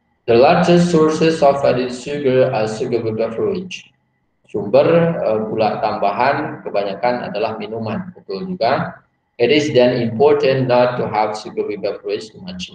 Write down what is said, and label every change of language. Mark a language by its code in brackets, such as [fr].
[en] The largest sources of added sugar are sugar beverage. [id] Sumber gula tambahan kebanyakan adalah minuman, betul juga. [en] It is then important not to have sugary beverage too much.